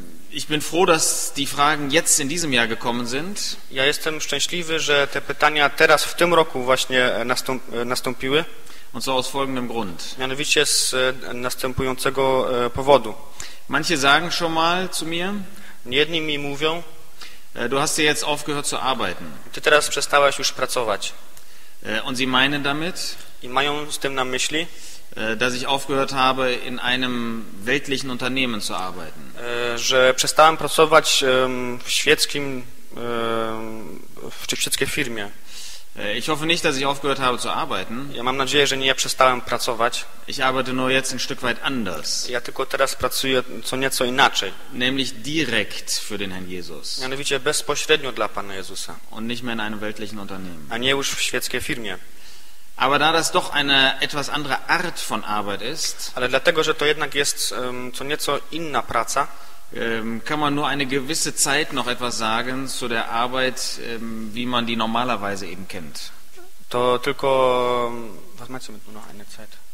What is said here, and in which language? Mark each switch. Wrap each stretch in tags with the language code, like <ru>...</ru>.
<de>Ich bin froh, dass die Fragen jetzt in diesem Jahr gekommen sind.</de> <pl>Ja jestem szczęśliwy, że te pytania teraz w tym roku właśnie nastąpiły.</pl> <de>Und so aus folgendem Grund.</de> <pl>Mianowicie z następującego powodu.</pl> <de>Manche sagen schon mal zu mir.</de> <pl>Jedni mi mówią.</pl> <de>Du hast dir jetzt aufgehört zu arbeiten.</de> <pl>Ty teraz przestałeś już pracować.</pl> <de>Und sie meinen damit.</de> <pl>I mają z tym na myśli.</pl> <de>Dass ich aufgehört habe, in einem weltlichen Unternehmen zu arbeiten.</de> <pl>Że przestałem pracować w świeckim, w świeckiej firmie.</pl> <de>Ich hoffe nicht, dass ich aufgehört habe zu arbeiten.</de> <pl>Ja mam nadzieję, że nie ja przestałem pracować.</pl> <de>Ich arbeite nur jetzt ein Stück weit anders.</de> <pl>Ja tylko teraz pracuję co nieco inaczej.</pl> <de>Nämlich direkt für den Herrn Jesus.</de> <pl>Mianowicie bezpośrednio dla Pana Jezusa.</pl> <de>Und nicht mehr in einem weltlichen Unternehmen.</de> <pl>A nie już w świeckiej firmie.</pl> <de>Aber da das doch eine etwas andere Art von Arbeit ist.</de> <pl>Ale dlatego, że to jednak jest co nieco inna praca.</pl> <de>Kann man nur eine gewisse Zeit noch etwas sagen zu der Arbeit, wie man die normalerweise eben kennt.</de> <pl>To tylko,</pl> <de>was meinst du mit nur noch eine Zeit?</de>